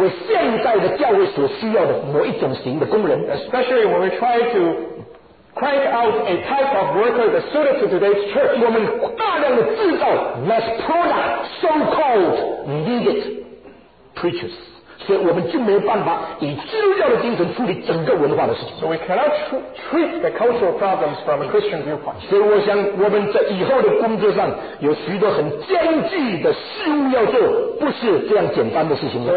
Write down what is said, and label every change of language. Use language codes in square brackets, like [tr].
[zh] 特别是我们太急于制造所谓现在的教会所需要的某一种型的工人。 [en] Especially when we try to crank out a type of worker that suited to today's church. [zh] 我们大量的制造 [en] less product, so-called needed preachers. [zh] 所以我们就没有办法以基督教的精神处理整个文化的事情。So [en] we cannot treat the cultural problems from a Christian viewpoint. [zh] 所以我想我们在以后的工作上有许多很艰巨的事物要做，不是这样简单的事情。So